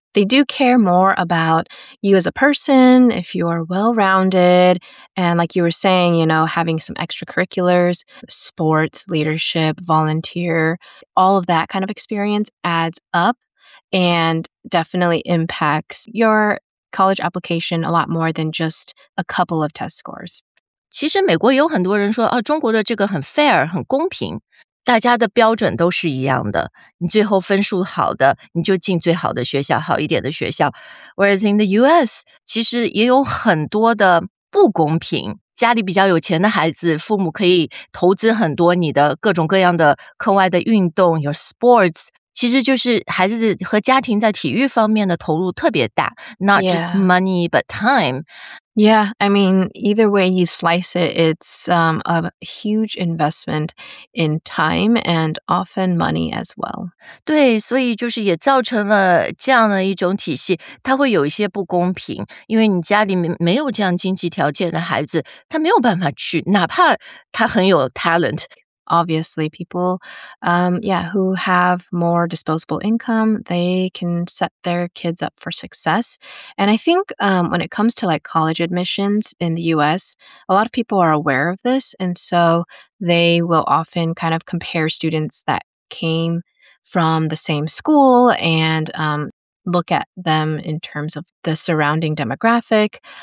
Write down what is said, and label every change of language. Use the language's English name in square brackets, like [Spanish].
[English] They do care more about you as a person, if you are well-rounded, and like you were saying, you know, having some extracurriculars, sports, leadership, volunteer, all of that kind of experience adds up and definitely impacts your college application a lot more than just a couple of test scores. [Chinese] 其实美国有很多人说，哦，中国的这个很 fair, 很公平。大家的标准都是一样的，你最后分数好的，你就进最好的学校，好一点的学校。 [English] Whereas in the US, [Chinese] 其实也有很多的不公平。家里比较有钱的孩子，父母可以投资很多你的各种各样的课外的运动 ， [English] your sports， [Chinese] 其实就是孩子和家庭在体育方面的投入特别大 ， [English] not just money but time。 Yeah, I mean, either way you slice it, it's a huge investment in time and often money as well. [Chinese] 对，所以就是也造成了这样的一种体系，它会有一些不公平，因为你家里没有这样经济条件的孩子，他没有办法去，哪怕他很有 talent. [English] Obviously, people, who have more disposable income, they can set their kids up for success. And I think, when it comes to like college admissions in the US, a lot of people are aware of this. And so they will often kind of compare students that came from the same school and, look at them in terms of the surrounding demographic.